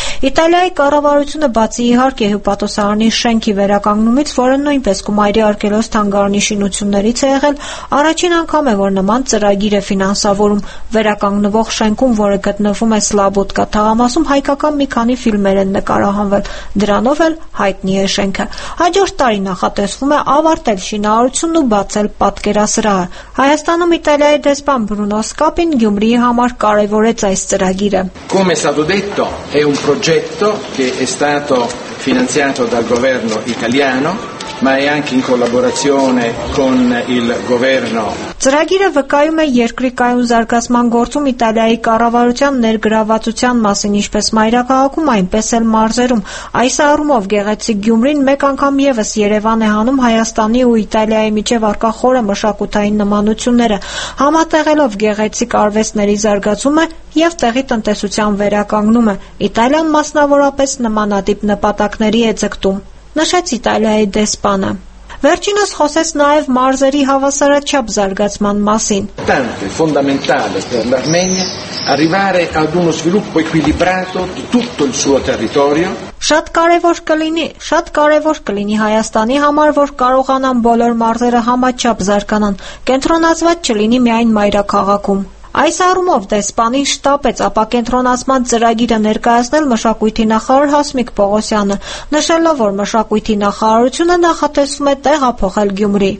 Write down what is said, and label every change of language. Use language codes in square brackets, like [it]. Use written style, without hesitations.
[hy] Իտալիայի կառավարությունը բացի իհարկե հյուպատոսարանի շենքի վերականգնումից, որը նույնպես Կումայրի արգելոց թանգարանի շինություններից է եղել, առաջին անգամ է, որ նման ծրագիր է ֆինանսավորում վերականգնվող շենքում, որը գտնվում է Սլաբոդկա թաղամասում, հայկական մի քանի ֆիլմեր են նկարահանվել, դրանով էլ հայտնի է շենքը։ Հաջորդ տարի նախատեսվում է ավարտել շինարարությունն ու բացել պատկերասրահը։ Հայաստանում Իտալիայի դեսպան Բրունո Սկապին Գյումրիի համար կարևորեց այս ծրագիրը։ [it] Come è stato detto, è un progetto che è stato finanziato dal governo italiano, ma è anche in collaborazione con il governo. [hy] Ծրագիրը վկայում է երկրի կայուն զարգացման գործում Իտալիայի կառավարության ներգրավվածության մասին, ինչպես մայրաքաղաքում, այնպես էլ մարզերում։ Այս առումով Գեղեցիկ Գյումրին մեկ անգամ եւս Երևան է հանում Հայաստանի ու Իտալիայի միջև առկա խորը մշակութային նմանությունները, համատեղելով գեղեցիկ արվեստների զարգացումը եւ տեղի տնտեսության վերականգնումը։ Իտալիան մասնավորապես նմանատիպ նպատակների է ձգտում, նշեց Իտալիայի դեսպանը։ Վերջինս խոսեց նաև մարզերի հավասարաչափ զարգացման մասին. [it] Tanto fondamentale per l'Armenia arrivare ad uno sviluppo equilibrato di tutto il suo territorio. [hy] Շատ կարևոր կլինի Հայաստանի համար, որ կարողանան բոլոր մարզերը համաչափ զարգանան, կենտրոնացված չլինի միայն մայրաքաղաքում։ Այս առումով դեսպանի շտապեց ապակենտրոնացման ծրագիրը ներկայացնել մշակույթի նախարար Հասմիկ Պողոսյանը, նշելով, որ մշակույթի նախարարությունը նախատեսում է տեղափոխել Գյումրի։